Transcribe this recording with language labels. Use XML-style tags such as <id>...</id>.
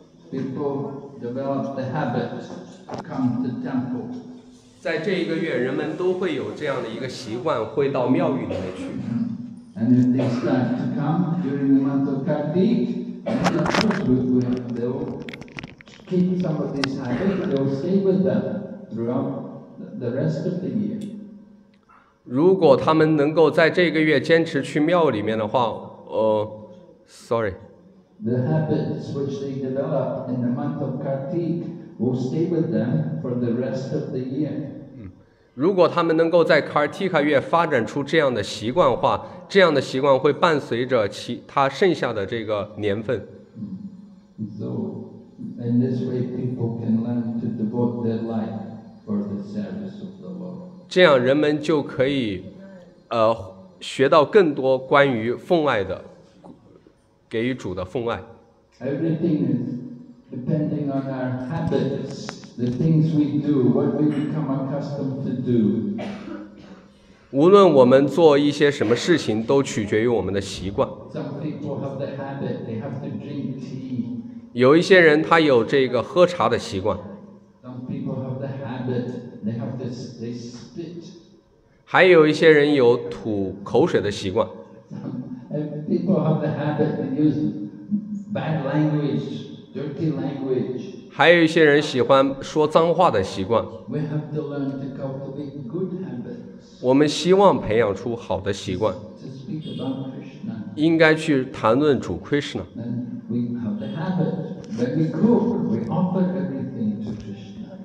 <en>People develop the habit to come to temple.</en> <zh>在这一个月，人们都会有这样的一个习惯，会到庙宇里面去。</zh> <en>And if they start to come during the month of Karti, then of course they'll keep some of these habits. They'll stay with them throughout the rest of the year.</en> <zh>如果他们能够在这个月坚持去庙里面的话，</zh> <en>sorry. The habits which they develop in the month of Kartik will stay with them for the rest of the year.</en> <zh>如果他们能够在 Kartika 月发展出这样的习惯化，这样的习惯会伴随着其他剩下的这个年份。</zh> <en>So, in this way, people can learn to devote their life for the service of the Lord.</en> <zh>这样人们就可以，学到更多关于奉爱的。给予主的奉爱。</zh> <en>Everything is depending on our habits, the things we do, what we become accustomed to do.</en> <zh>无论我们做一些什么事情，都取决于我们的习惯。</zh> <en>Some people have the habit, they have to drink tea.</en> <zh>有一些人他有这个喝茶的习惯。</zh> <en>Some people have the habit, they have to spit.</en> <zh>还有一些人有吐口水的习惯。</zh> <en>People have the habit to use bad language, dirty language.</en> <zh>还有一些人喜欢说脏话的习惯。</zh> <en>We have to learn to cultivate good habits.</en> <zh>我们希望培养出好的习惯。</zh> <en>To speak about Krishna.</en> <zh>应该去谈论主 Krishna.</zh> <en>And we have the habit when we cook, we offer everything to Krishna.</en>